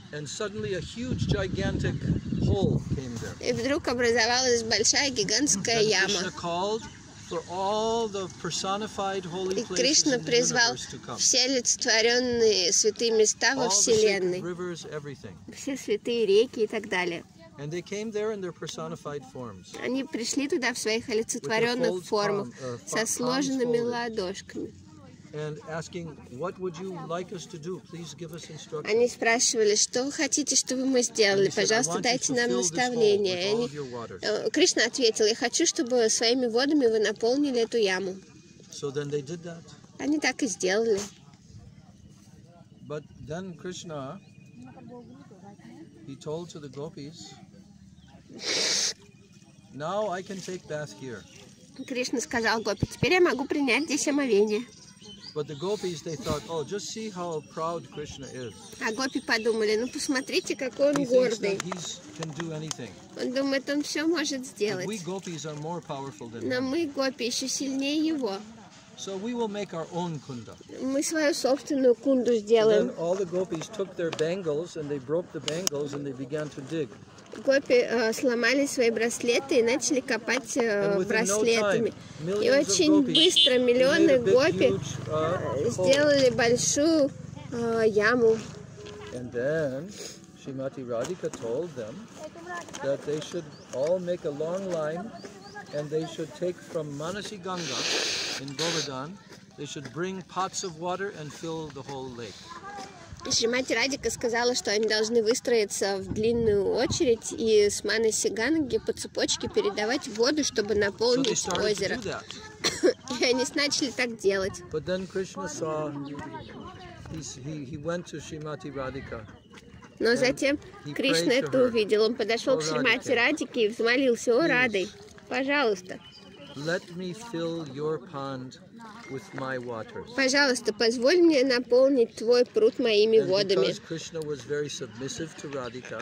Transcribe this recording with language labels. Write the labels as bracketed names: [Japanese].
[English] And suddenly a huge gigantic hole came there. [Russian] И вдруг образовалась большая гигантская [English] and [Russian] яма. [English] Krishna called for all the personified holy places. [Russian] И Кришна призвал все олицетворенные святые места во вселенной. [English] Rivers, everything. [Russian] Все святые реки и так далее. [English] And they came there in their personified forms. [Russian] Они пришли туда в своих олицетворенных формах, со сложенными ладошками. [English] And asking, "What would you like us to do? Please give us instructions." [Russian] Они спрашивали: "Что вы хотите, чтобы мы сделали? Пожалуйста, дайте нам наставление." Кришна ответил: "Я хочу, чтобы своими водами вы наполнили эту яму." [English] So then they did that. [Russian] Они так и сделали. [English] But then Krishna, he told to the gopis, "Now I can take bath here." [Russian] Кришна сказал гопи: "Теперь я могу принять здесь омовение." [English] But the gopis, they thought, "Oh, just see how proud Krishna is." [Russian] А гопи подумали: "Ну посмотрите, какой он гордый." [English] He thinks that he can do anything. [Russian] Он думает, он все может сделать. [English] But we gopis are more powerful than him. [Russian] Но мы гопи еще сильнее его. [English] So we will make our own kunda. [Russian] Мы свою собственную кунду сделаем. [English] And then all the gopis took their bangles and they broke the bangles and they began to dig. [Russian] Гопи сломали свои браслеты и начали копать браслетами. И очень быстро миллионы гопи сделали большую яму. [English] And then Shrimati Radhika told them that they should all make a long line and they should take from Manasi Ganga in Govardhan, they should bring pots of water and fill the whole lake. [Russian] Шримати Радика сказала, что они должны выстроиться в длинную очередь и с Манаси Ганги по цепочке передавать воду, чтобы наполнить озеро. И они начали так делать. [English] But then Krishna saw he went to Shrimati Radhika. [Russian] Но затем Кришна это увидел. Он подошел к Шримати Радике и взмолился: «О, Радой, пожалуйста, [English] let me fill your pond with my waters». [Russian] Пожалуйста, позволь мне наполнить твой пруд моими водами. [English] Because Krishna was very submissive to Radhika,